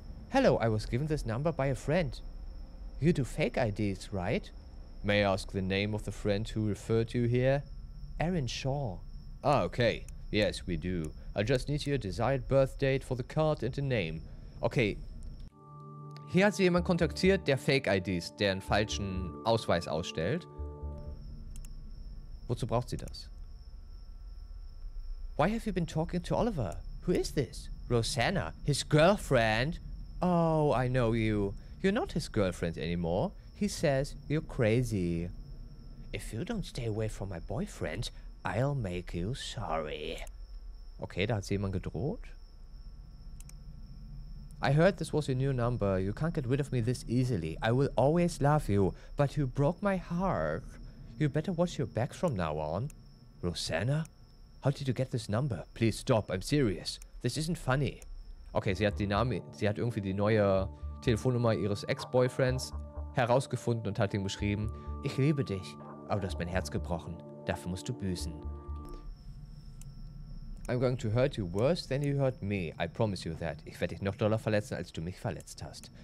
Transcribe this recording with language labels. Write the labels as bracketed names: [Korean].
[English] Hello, I was given this number by a friend. You do fake IDs, right? May I ask the name of the friend who referred you here? Aaron Shaw. Ah, okay. Yes, we do. I just need your desired birth date for the card and the name. Okay. [German] Hier hat sie jemand kontaktiert, der Fake IDs, der einen falschen Ausweis ausstellt. Wozu braucht sie das? [English] Why have you been talking to Oliver? Who is this? Rosanna, his girlfriend. Oh, I know you. You're not his girlfriend anymore. He says you're crazy. If you don't stay away from my boyfriend, I'll make you sorry. [German] Okay, da hat sie jemand gedroht. [English] I heard this was your new number. You can't get rid of me this easily. I will always love you, but you broke my heart. You better watch your back from now on. Rosanna? How did you get this number? Please stop, I'm serious. This isn't funny. [German] Okay, sie hat irgendwie die neue Telefonnummer ihres Ex-Boyfriends herausgefunden und hat ihm geschrieben, ich liebe dich, aber du hast mein Herz gebrochen. Dafür musst du büßen. [English] I'm going to hurt you worse than you hurt me. I promise you that. [German] Ich werde dich noch doller verletzen, als du mich verletzt hast.